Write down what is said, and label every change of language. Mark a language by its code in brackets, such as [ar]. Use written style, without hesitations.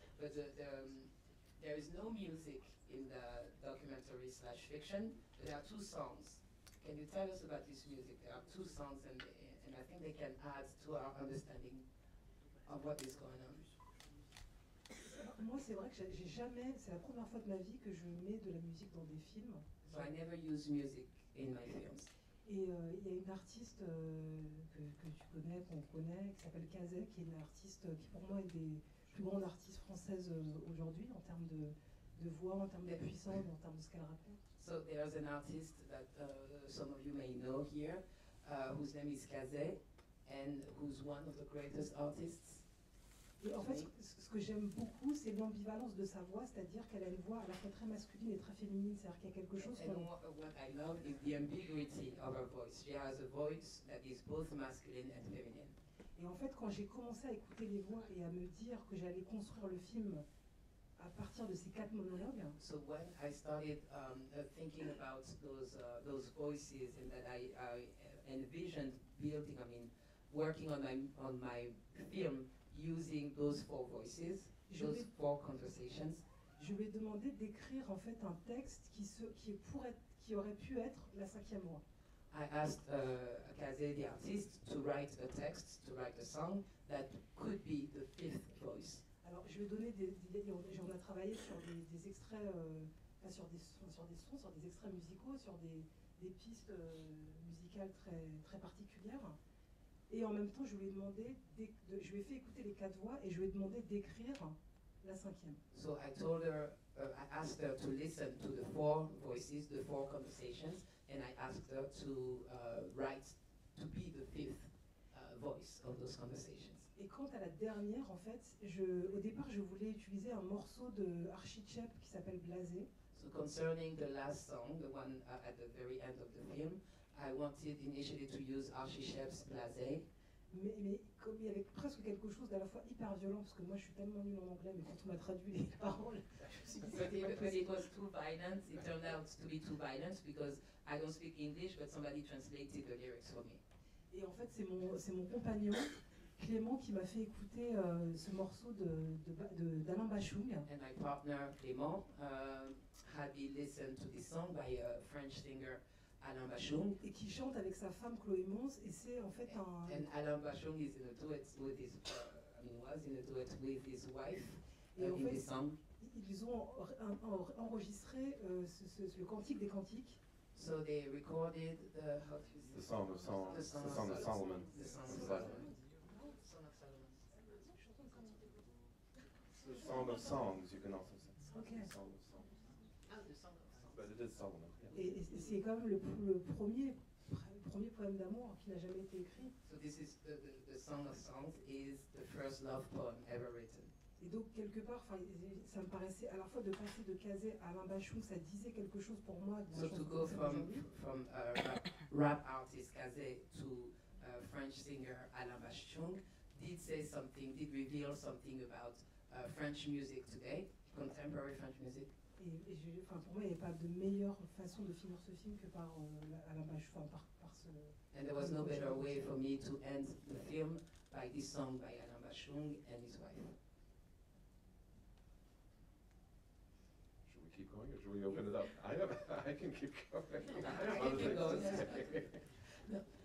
[en] But there is no music in the documentary / fiction. But there are two songs. Can you tell us about this music? There are two songs, and I think they can add to our understanding of what is going on. [fr] Moi, c'est vrai que j'ai jamais. C'est la première fois de ma vie que je mets de la musique dans des films. [en] So I never use music in my films. [fr] Et il y a une artiste que tu connais, qu'on connaît, qui s'appelle Kazé, qui est une artiste qui pour moi est des plus grandes artistes françaises aujourd'hui en termes de voix, en termes de puissance, en termes de ce qu'elle raconte. [en] So there's an artist that some of you may know here, whose name is Kazé, and who's one of the greatest artists. [fr] Et en fait, ce que j'aime beaucoup, c'est l'ambivalence de sa voix, c'est-à-dire qu'elle a une voix à la fois très masculine et très féminine, c'est-à-dire qu'il y a quelque chose. [en] And what I love is the ambiguity of her voice. She has a voice that is both masculine and feminine. [fr] Et en fait, quand j'ai commencé à écouter les voix et à me dire que j'allais construire le film à partir de ces quatre monologues. [en] So when I started thinking about those voices and that I envisioned building, I mean, working on my film. Using those four voices, those four conversations. [fr] Je lui ai demandé d'écrire en fait un texte qui aurait pu être la cinquième voix. [en] I asked Kazé, the artist, to write a text, to write a song that could be the fifth voice. [fr] Alors je lui ai donné on a travaillé sur des extraits, sur des extraits musicaux, sur des pistes musicales très très particulières. Et en même temps, je lui ai fait écouter les quatre voix et je lui ai demandé d'écrire la cinquième. [en] So I told her, I asked her to listen to the four voices, the four conversations, and I asked her to write to be the fifth voice of those conversations. [fr] Et quant à la dernière, en fait, au départ, je voulais utiliser un morceau de Archichep qui s'appelle Blasé. [en] So concerning the last song, the one at the very end of the film, I wanted initially to use Archichep's Blasé. [fr] Mais comme il y avait presque quelque chose d'à la fois hyper violent, parce que moi je suis tellement nul en anglais, mais quand on m'a traduit les paroles, je me suis dit [en] que it was too violent, it turned out to be too violent, because I don't speak English, but somebody translated the lyrics for me. [fr] Et en fait, c'est mon compagnon, Clément, qui m'a fait écouter ce morceau d'Alain Bachung. [en] And my partner, Clément, had been listened to this song by a French singer, Alain Bachung, [fr] et qui chante avec sa femme Chloé Mons, et c'est en fait un. [en] And Alain Bachung is in a duet with his, was in a duet with his wife in [fr] fait, [en] this song. [fr] Ils ont enregistré le cantique des cantiques. [en] So they recorded the song of Solomon. The song of Solomon. The song of Solomon. The song of songs. You can also say. Okay. The song of songs. But it is Solomon. Yeah. [fr] Et c'est quand même le premier poème d'amour qui n'a jamais été écrit. [en] So this is the Song of Songs is the first love poem ever written. [fr] Et donc quelque part, ça me paraissait à la fois de passer de Kazé à Alain Bachung, ça disait quelque chose pour moi. [en] So to go from rap artist Kazé to French singer Alain Bachung did say something, did reveal something about French music today, contemporary French music. [fr] Et pour moi, il n'y a pas de meilleure façon de finir ce film que par Alain Bachung, par ce. [en] And there was no better way for me to end the film by this song by Alain Bachung and his wife. Should we keep going or should we open it up? I can keep going. I can keep going. No.